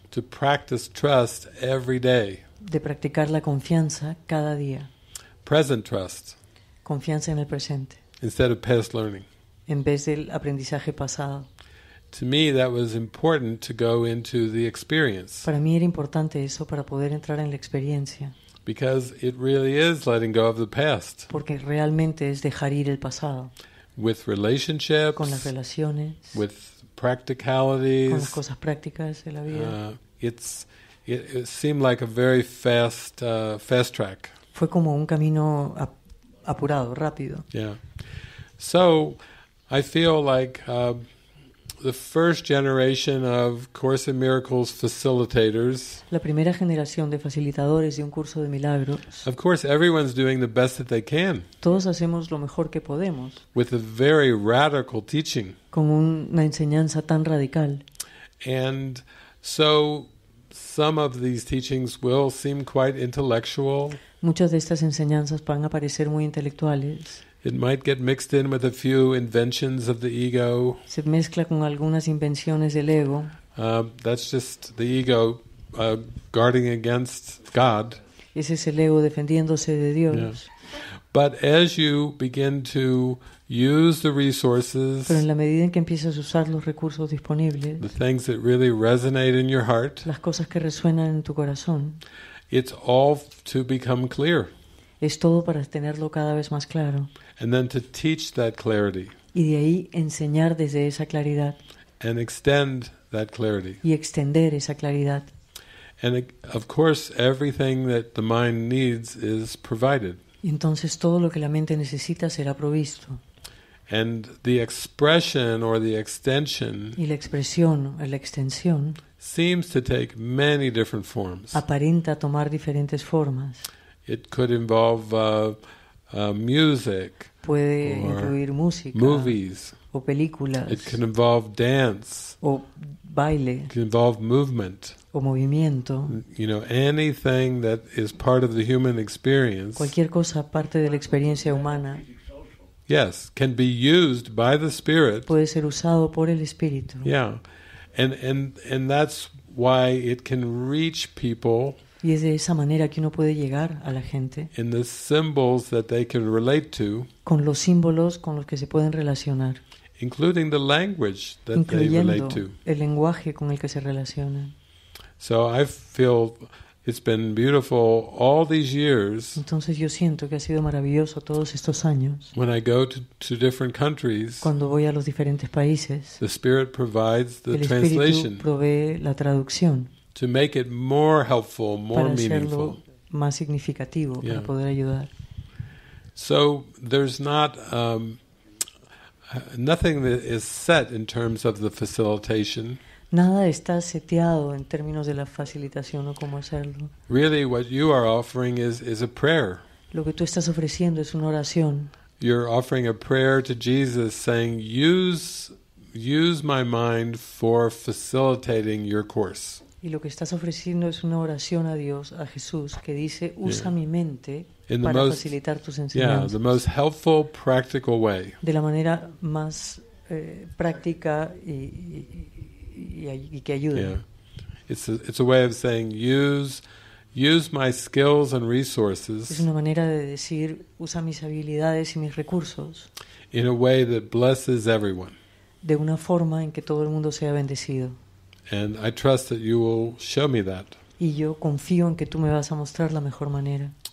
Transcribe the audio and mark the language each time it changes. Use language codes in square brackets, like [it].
[en] To practice trust every day. [es] de practicar la confianza cada día. [en] Present trust. [es] Confianza en el presente. [en] Instead of past learning. [es] En vez del aprendizaje pasado. [en] To me, that was important to go into the experience. [es] Para mí era importante eso para poder entrar en la experiencia. [en] Because it really is letting go of the past. [es] Porque realmente es dejar ir el pasado. [en] With relationships. [es] Con las relaciones. [en] With practicalities. [es] Con las cosas prácticas de la vida. [en] It seemed like a very fast track. [es] Fue como un camino apurado, rápido. [en] Yeah. So, I feel like the first generation of Course in Miracles facilitators. [es] La primera generación de facilitadores de un curso de milagros. [en] Of course, everyone's doing the best that they can. [es] Todos hacemos lo mejor que podemos. [en] With a very radical teaching. [es] Con una enseñanza tan radical. [en] And so, some of these teachings will seem quite intellectual. [es] Muchas de estas enseñanzas van a parecer muy intelectuales. [en] It might get mixed in with a few inventions of the ego. [es] Se mezcla con algunas invenciones del ego. [en] That's just the ego guarding against God. [es] Ese es el ego defendiéndose de Dios. Yeah. [en] But as you begin to use the resources, [es] pero en la medida en que empiezas a usar los recursos disponibles, [en] the things that really resonate in your heart, [es] las cosas que resuenan en tu corazón, [en] it's all to become clear. [es] Es todo para tenerlo cada vez más claro. [en] And then to teach that clarity. [es] Y de ahí enseñar desde esa claridad. [en] And extend that clarity. [es] Y extender esa claridad. [en] And of course, everything that the mind needs is provided. [es] Y entonces todo lo que la mente necesita será provisto. [en] And the expression or the extension. [es] Y la expresión o la extensión. [en] Seems to take many different forms. [es] Aparenta tomar diferentes formas. [en] It could involve music. [es] Puede incluir música. [en] Movies. [es] O películas. [en] It can involve dance. [es] O baile. [en] It can involve movement. [es] O movimiento. [en] You know, anything that is part of the human experience. [es] Cualquier cosa parte de la experiencia humana. [en] Yes, can be used by the spirit. [es] Puede ser usado por el espíritu. [en] Yeah. And that's why it can reach people. [es] Y es de esa manera que uno puede llegar a la gente. [en] In the symbols that they can relate to. [es] Con los símbolos con los que se pueden relacionar. [en] Including the language that they relate to. [es] Incluyendo el lenguaje con el que se relacionan. [en] So I feel it's been beautiful all these years. [es] Entonces yo siento que ha sido maravilloso todos estos años. [en] When I go to different countries. [es] Cuando voy a los diferentes países. [en] The spirit provides the translation. [es] El espíritu provee la traducción. [en] To make it more helpful, more meaningful. [es] Para hacerlo más significativo, yeah. Para poder ayudar. [en] So there's not nothing that is set in terms of the facilitation. [es] Nada está seteado en términos de la facilitación o cómo hacerlo. [en] Really, what you are offering is a prayer. [es] Lo que tú estás ofreciendo es una oración. [en] You're offering a prayer to Jesus, saying, "Use my mind for facilitating your course." [es] Y lo que estás ofreciendo es una oración a Dios, a Jesús, que dice, usa mi mente para facilitar tus enseñanzas. [en] Yeah, the most helpful, practical way. [es] De la manera más práctica y que ayude. [en] Yeah. It's a way of saying, use my skills and resources. [es] Es una manera de decir, usa mis habilidades y mis recursos. [en] In a way that blesses everyone. [es] De una forma en que todo el mundo sea bendecido. [en] And I trust that you will show me that. [es] Y yo confío en que tú me vas a mostrar la mejor manera.